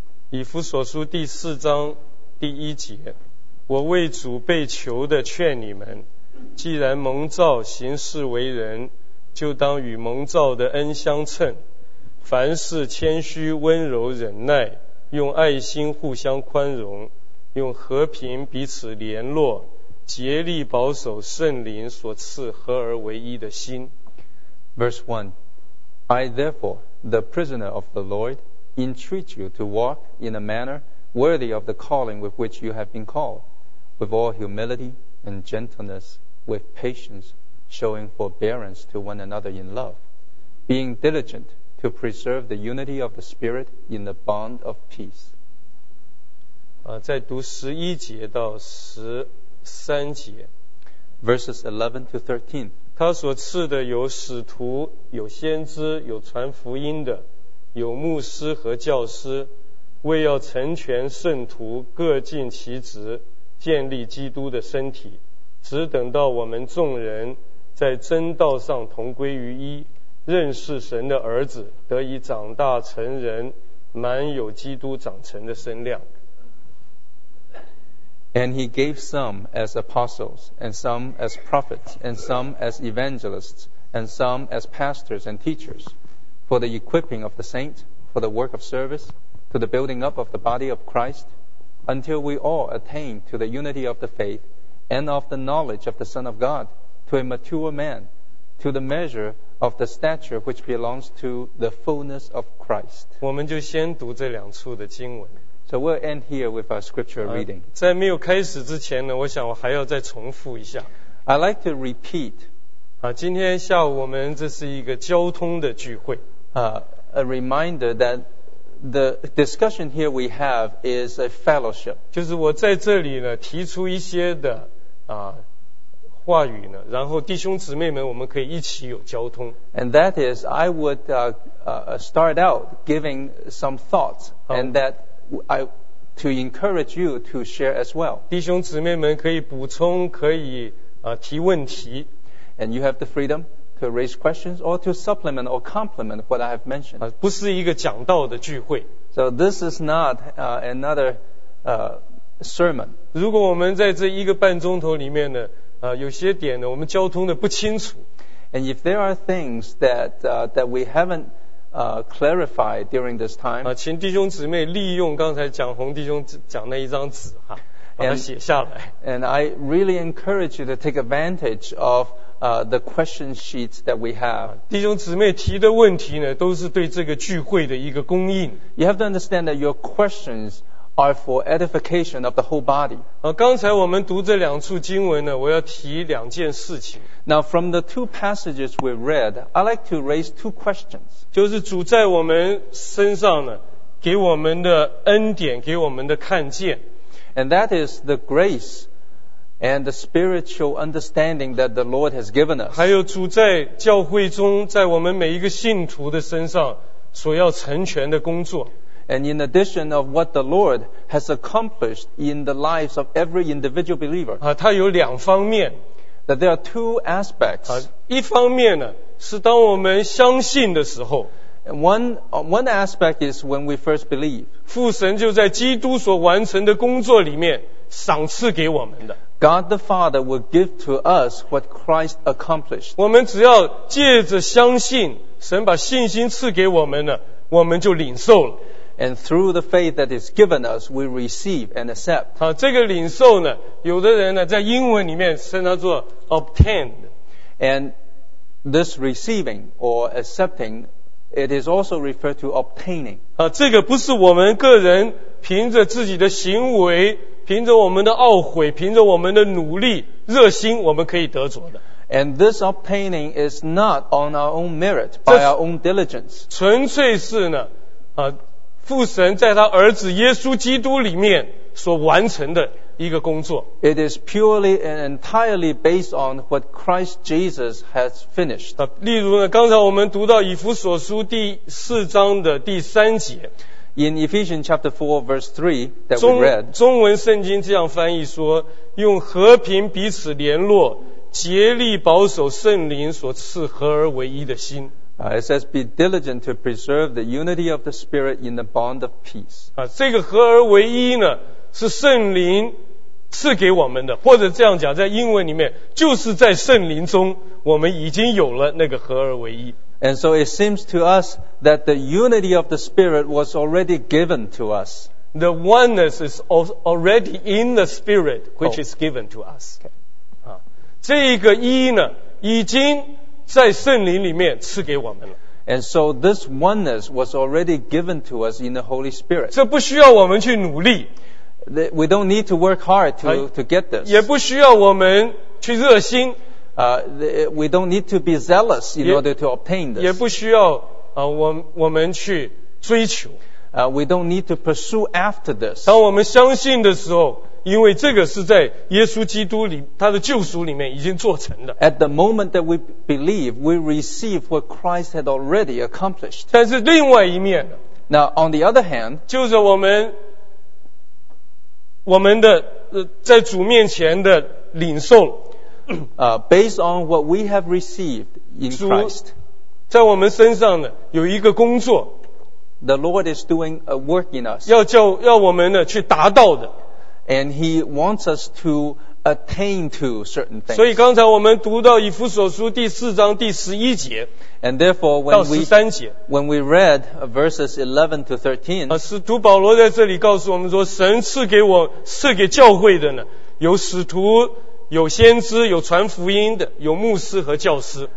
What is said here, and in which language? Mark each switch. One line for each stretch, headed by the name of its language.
Chinese: 以弗所书第四章第一节，我为主被囚的劝你们，既然蒙召行事为人，就当与蒙召的恩相称，凡事谦虚温柔忍耐，用爱心互相宽容，用和平彼此联络，竭力保守圣灵所赐合而为一的心。
English: Verse 1, I therefore, the prisoner of the Lord, entreat you to walk in a manner worthy of the calling with which you have been called, with all humility and gentleness, with patience, showing forbearance to one another in love, being diligent to preserve the unity of the Spirit in the bond of peace.
Chinese: 在读十一节到十三节。
English: Verses 11-13.
Chinese: 他所赐的有使徒，有先知，有传福音的，有牧师和教师，为要成全圣徒，各尽其职，建立基督的身体，只等到我们众人在真道上同归于一，认识神的儿子，得以长大成人，满有基督长成的身量。
English: And he gave some as apostles, and some as prophets, and some as evangelists, and some as pastors and teachers, for the equipping of the saints, for the work of service, to the building up of the body of Christ, until we all attain to the unity of the faith and of the knowledge of the Son of God, to a mature man, to the measure of the stature which belongs to the fullness of Christ.
Chinese: 我们就先读这两处的经文。
English: So we'll end here with our scripture reading.
Chinese: 在没有开始之前呢，我想我还要再重复一下。
English: I'd like to repeat.
Chinese: 今天下午我们这是一个交通的聚会。
English: A reminder that the discussion here we have is a fellowship.
Chinese: 就是我在这里呢，提出一些的话语呢，然后弟兄姊妹们我们可以一起有交通。
English: And that is, I would start out giving some thoughts, and that I to encourage you to share as well.
Chinese: 弟兄姊妹们可以补充，可以提问题。
English: And you have the freedom to raise questions or to supplement or complement what I have mentioned.
Chinese: 不是一个讲道的聚会。
English: So this is not another sermon.
Chinese: 如果我们在这一个半钟头里面呢，有些点呢，我们交通的不清楚。
English: And if there are things that that we haven't clarified during this time,
Chinese: 请弟兄姊妹利用刚才蒋宏弟兄讲那一张纸哈。
English: And I really encourage you to take advantage of the question sheets that we have.
Chinese: 弟兄姊妹提的问题呢，都是对这个聚会的一个供应。
English: You have to understand that your questions are for edification of the whole body.
Chinese: 刚才我们读这两处经文呢，我要提两件事情。
English: Now, from the two passages we read, I'd like to raise two questions.
Chinese: 就是主在我们身上呢，给我们的恩典，给我们的看见。
English: And that is the grace and the spiritual understanding that the Lord has given us.
Chinese: 还有主在教会中，在我们每一个信徒的身上所要成全的工作。
English: And in addition of what the Lord has accomplished in the lives of every individual believer.
Chinese: 它有两方面。
English: That there are two aspects.
Chinese: 一方面呢，是当我们相信的时候。
English: One aspect is when we first believe.
Chinese: 父神就在基督所完成的工作里面赏赐给我们的。
English: God the Father will give to us what Christ accomplished.
Chinese: 我们只要借着相信，神把信心赐给我们了，我们就领受了。
English: And through the faith that is given us, we receive and accept.
Chinese: 这个领受呢，有的人呢，在英文里面称它做 obtained.
English: And this receiving or acceptingIt is also referred to obtaining.
Chinese: 这个不是我们个人凭着自己的行为，凭着我们的懊悔，凭着我们的努力、热心，我们可以得着的。
English: And this obtaining is not on our own merit, by our own diligence.
Chinese: 纯粹是呢，父神在他儿子耶稣基督里面所完成的一个工作。
English: It is purely and entirely based on what Christ Jesus has finished.
Chinese: 例如呢，刚才我们读到以弗所书第四章的第三节。
English: In Ephesians chapter 4 verse 3 that we read.
Chinese: 中文圣经这样翻译说，用和平彼此联络，竭力保守圣灵所赐合而为一的心。
English: It says, be diligent to preserve the unity of the Spirit in the bond of peace.
Chinese: 这个合而为一呢，是圣灵赐给我们的，或者这样讲，在英文里面，就是在圣灵中，我们已经有了那个合而为一。
English: And so it seems to us that the unity of the Spirit was already given to us. The oneness is already in the Spirit, which is given to us. Okay.
Chinese: 这个一呢，已经在圣灵里面赐给我们了。
English: And so this oneness was already given to us in the Holy Spirit.
Chinese: 这不需要我们去努力。
English: We don't need to work hard to get this.
Chinese: 也不需要我们去热心。
English: We don't need to be zealous in order to obtain this.
Chinese: 也不需要我们去追求。
English: We don't need to pursue after this.
Chinese: 当我们相信的时候，因为这个是在耶稣基督里他的救赎里面已经做成的。
English: At the moment that we believe, we receive what Christ had already accomplished.
Chinese: 但是另外一面呢？
English: Now on the other hand,
Chinese: 就是我们的在主面前的领受
English: based on what we have received in Christ,
Chinese: 在我们身上呢有一个工作
English: ，The Lord is doing a work in us.
Chinese: 要我们呢去达到的
English: ，And He wants us to attain to certain things.
Chinese: 所以刚才我们读到以弗所书第四章第十一节
English: ，And therefore when we read verses 11 to 13,
Chinese: 使徒保罗在这里告诉我们说，神赐给教会的呢，有使徒。有先知，有传福音的，有牧师和教师。